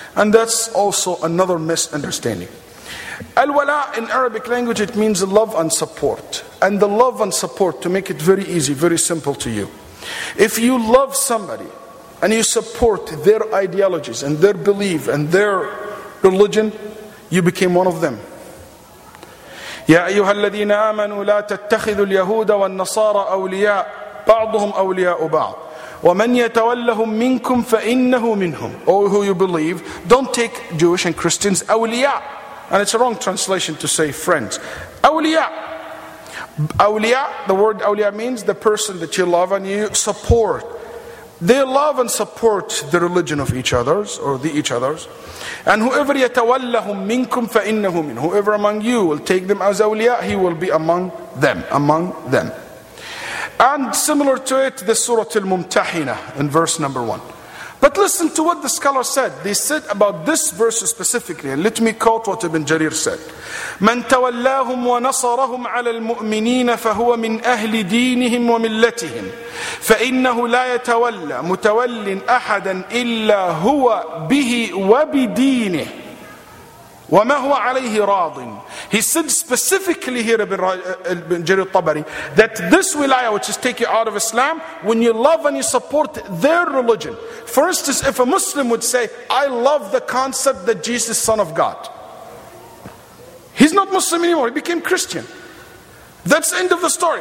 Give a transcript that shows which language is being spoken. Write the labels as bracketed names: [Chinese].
[English] And that's also another misunderstanding. Al-wala' in Arabic language, it means love and support. And the love and support, to make it very easy, very simple to you. If you love somebody and you support their ideologies and their belief and their religion, you became one of them. [Arabic] يا أيها الذين آمنوا لا تتخذوا اليهود والنصارى أولياء بعضهم أولياء بعض ومن يتولهم منكم فإنه منهم. [English] Oh, who you believe, don't take Jewish and Christians أولياء. And it's a wrong translation to say friends. [Arabic] أولياء. [English] أولياء, the word أولياء means the person that you love and you support. They love and support the religion of each other's, or the each other's. And whoever [Arabic] يتولهم منكم فإنه من, [English] whoever among you will take them as awliya, he will be among them, among them. And similar to it, the Surah Al-Mumtahina in verse number 1. But listen to what the scholar said. They said about this verse specifically, and let me quote what Ibn Jarir said. [Arabic] من تولاهم ونصرهم على المؤمنين فهو من أهل دينهم وملتهم فإنه لا يتولى متولى أحدا إلا هو به وبدينه وما هو عليه راض. [English] He said specifically here, Ibn Jarir al-Tabari, that this wilaya, which is take you out of Islam, when you love and you support their religion. First is, if a Muslim would say, I love the concept that Jesus is Son of God, he's not Muslim anymore, he became Christian. That's the end of the story.